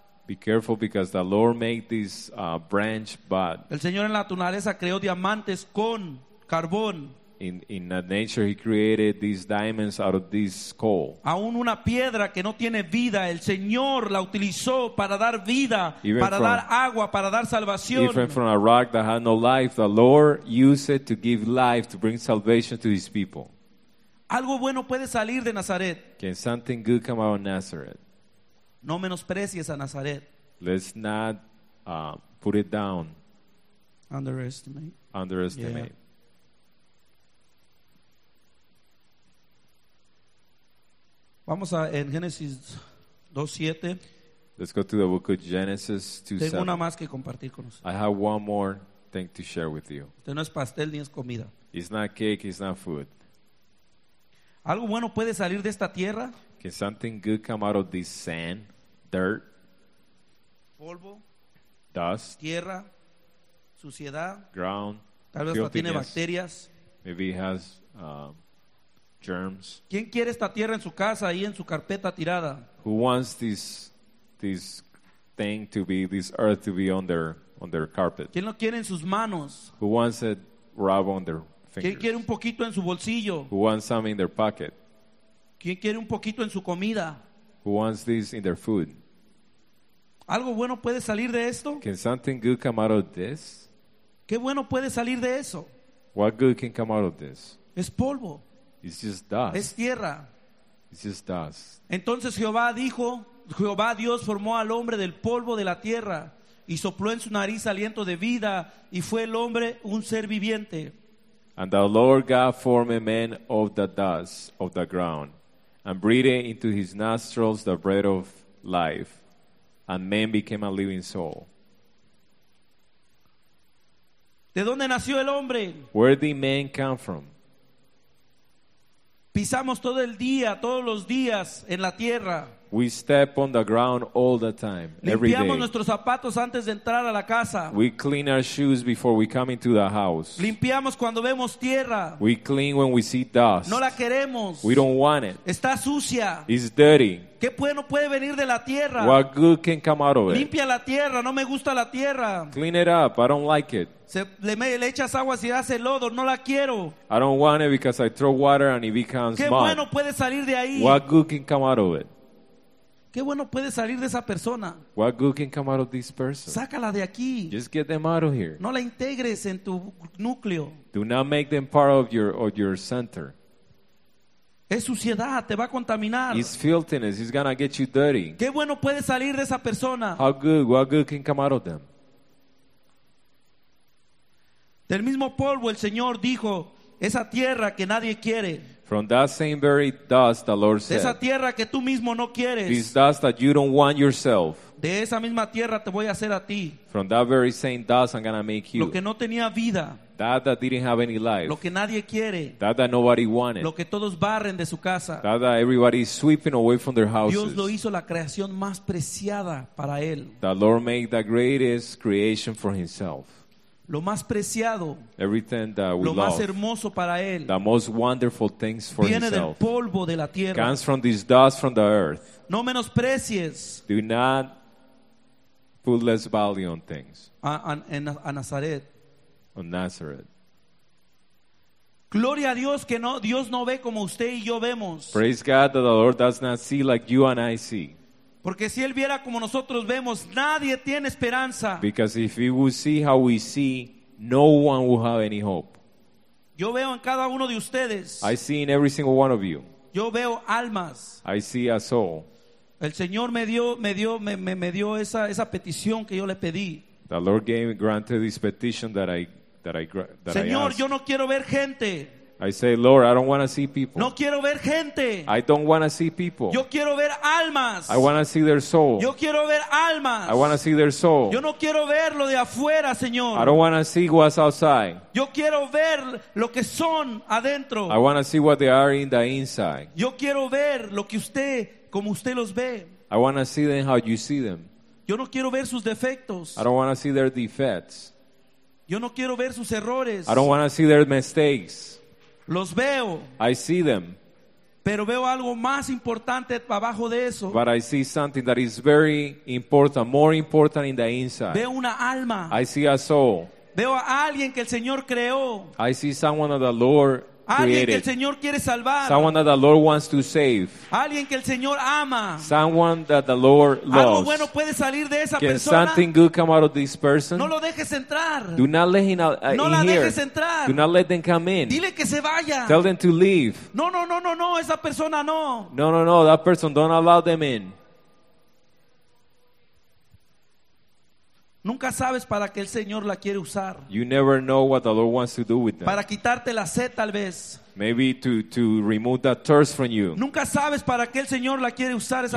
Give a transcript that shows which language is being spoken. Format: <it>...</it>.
<en>Be careful because the Lord made this branch bud.</en> <es>El Señor en la naturaleza creó diamantes con carbón.</es> <en>In that nature he created these diamonds out of this coal.</en> <es>Aún una piedra que no tiene vida, el Señor la utilizó para dar vida,</es> <en>even</en> <es>para</es> <en>from,</en> <es>dar agua, para dar salvación.</es> <en>Even from a rock that had no life, the Lord used it to give life, to bring salvation to his people.</en> <es>Algo bueno puede salir de Nazaret.</es> <en>Can something good come out of Nazareth?</en> <es>No menosprecies a Nazaret.</es> <en>Let's not put it down. Underestimate. Yeah.</en> <es>Vamos a en Génesis 2:7.</es> <en>Let's go to the book of Genesis 2:7.</en> <es>Tengo una más que compartir con ustedes.</es> <en>I have one more thing to share with you.</en> <es>Este no es pastel ni es comida.</es> <en>It's not cake, it's not food.</en> <es>¿Algo bueno puede salir de esta tierra?</es> <en>Can something good come out of this sand, dirt,</en> <es>polvo,</es> <en>dust,</en> <es>tierra, suciedad,</es> <en>ground,</en> <es>tal vez hasta tiene bacterias.</es> <en>Maybe it has germs.</en> <es>¿Quién quiere esta tierra en su casa y en su carpeta tirada?</es> <en>Who wants this thing to be, this earth to be on their carpet?</en> <es>¿Quién lo quiere en sus manos?</es> <en>Who wants it rubbed on their fingers?</en> <es>¿Quién quiere un poquito en su bolsillo?</es> <en>Who wants some in their pocket?</en> <es>¿Quién quiere un poquito en su comida?</es> <en>Who wants this in their food?</en> <es>¿Algo bueno puede salir de esto?</es> <en>Can something good come out of this?</en> <es>¿Qué bueno puede salir de eso?</es> <en>What good can come out of this?</en> <es>Es polvo.</es> <en>It's just dust.</en> <es>Es tierra.</es> <en>It's just us.</en> <es>Entonces Jehová dijo, Jehová Dios formó al hombre del polvo de la tierra y sopló en su nariz aliento de vida y fue el hombre un ser viviente.</es> <en>And the Lord God formed man of the dust of the ground and breathed into his nostrils the breath of life, and man became a living soul.</en> <es>¿De dónde nació el hombre?</es> <en>Where did man come from?</en> <es>Pisamos todo el día, todos los días en la tierra.</es> <en>We step on the ground all the time,</en> <es>limpiamos</es> <en>every day.</en> <es>Nuestros zapatos antes de entrar a la casa.</es> <en>We clean our shoes before we come into the house.</en> <es>Limpiamos cuando vemos tierra.</es> <en>We clean when we see dust.</en> <es>No la queremos.</es> <en>We don't want it.</en> <es>Está sucia.</es> <en>It's dirty.</en> <es>¿Qué bueno puede venir de la tierra?</es> <en>What good can come out of it?</en> <es>Limpia la tierra, no me gusta la tierra.</es> <en>Clean it up, I don't like it.</en> <es>Le echas agua si hace lodo, no la quiero.</es> <en>I don't want it because I throw water and it becomes</en> <es>¿Qué</es> <en>mud.</en> <es>¿Qué bueno puede salir de ahí?</es> <en>What good can come out of it?</en> <es>¿Qué bueno puede salir de esa persona?</es> <en>What good can come out of this person?</en> <es>Sácala de aquí.</es> <en>Just get them out of here.</en> <es>No la integres en tu núcleo.</es> <en>Do not make them part of your center.</en> <es>Es suciedad, te va a contaminar.</es> <en>It's filthiness, it's gonna get you dirty.</en> <es>¿Qué bueno puede salir de esa persona?</es> <en>How good, what good can come out of them?</en> <es>Del mismo polvo el Señor dijo, esa tierra que nadie quiere.</es> <en>From that same very dust, the Lord said.</en> <es>De esa tierra que tú mismo no quieres.</es> <en>This dust that you don't want yourself.</en> <es>De esa misma tierra te voy a hacer a ti.</es> <en>From that very same dust, I'm gonna make you.</en> <es>Lo que no tenía vida.</es> <en>That didn't have any life.</en> <es>Lo que nadie quiere.</es> <en>That nobody wanted.</en> <es>Lo que todos barren de su casa.</es> <en>That everybody is sweeping away from their houses.</en> <es>Dios lo hizo la creación más preciada para él.</es> <en>The Lord made the greatest creation for himself.</en> <es>Lo más preciado,</es> <en>everything that we</en> <es>lo más</es> <en>love,</en> <es>hermoso para él,</es> <en>the most wonderful things for</en> <es>viene</es> <en>himself,</en> <es>del polvo de la tierra,</es> <en>comes from this dust from the earth.</en> <es>No menosprecies.</es> <en>Do not put less value on things.</en> <es>A Nazaret.</es> <en>On Nazareth.</en> <es>Gloria a Dios que no, Dios no ve como usted y yo vemos.</es> <en>Praise God that the Lord does not see like you and I see.</en> <es>Porque si él viera como nosotros vemos, nadie tiene esperanza.</es> <en>Because if he would see how we see, no one would have any hope.</en> <es>Yo veo en cada uno de ustedes.</es> <en>I see in every single one of you.</en> <es>Yo veo almas.</es> <en>I see a soul.</en> <es>El Señor me dio esa petición que yo le pedí.</es> <en>The Lord gave granted this petition that I</en> <es>Señor,</es> <en>asked.</en> <es>Yo no quiero ver gente.</es> <en>I say, Lord, I don't want to see people.</en> <es>No quiero ver gente.</es> <en>I don't want to see people.</en> <es>Yo quiero ver almas.</es> <en>I want to see their soul.</en> <es>Yo quiero ver almas.</es> <en>I want to see their soul.</en> <es>Yo no quiero ver lo de afuera, Señor.</es> <en>I don't want to see what's outside.</en> <es>Yo quiero ver lo que son adentro.</es> <en>I want to see what they are in the inside.</en> <es>Yo quiero ver lo que usted, como usted los ve.</es> <en>I want to see them how you see them.</en> <es>Yo no quiero ver sus defectos.</es> <en>I don't want to see their defects.</en> <es>Yo no quiero ver sus errores.</es> <en>I don't want to see their mistakes.</en> <es>Los veo.</es> <en>I see them.</en> <es>Pero veo algo más importante abajo de eso.</es> <en>But I see something that is very important, more important in the inside.</en> <es>Veo una alma.</es> <en>I see a soul.</en> <es>Veo a alguien que el Señor creó.</es> <en>I see someone that the Lord created.</en> <es>Alguien que el Señor quiere salvar.</es> <en>Someone that the Lord wants to save.</en> <es>Alguien que el Señor ama.</es> <en>Someone that the Lord loves.</en> <es>Algo bueno puede salir de esa</es> <en>Can</en> <es>persona.</es> <en>Something good come out of this person?</en> <es>No lo dejes entrar.</es> <en>Do not let him</en> <es>no</es> <en>in</en> <es>la</es> <en>here.</en> <es>Dejes entrar.</es> <en>Do not let them come in.</en> <es>Dile que se vaya.</es> <en>Tell them to leave.</en> <es>No, esa persona no.</es> <en>No, that person, don't allow them in.</en> <es>Nunca sabes para qué el Señor la quiere usar.</es> <en>You never know what the Lord wants to do with them.</en> <es>Para quitarte la sed, tal vez.</es> <en>Maybe to remove that thirst from you.</en> <es>Nunca sabes para qué el Señor la quiere usar esa</es>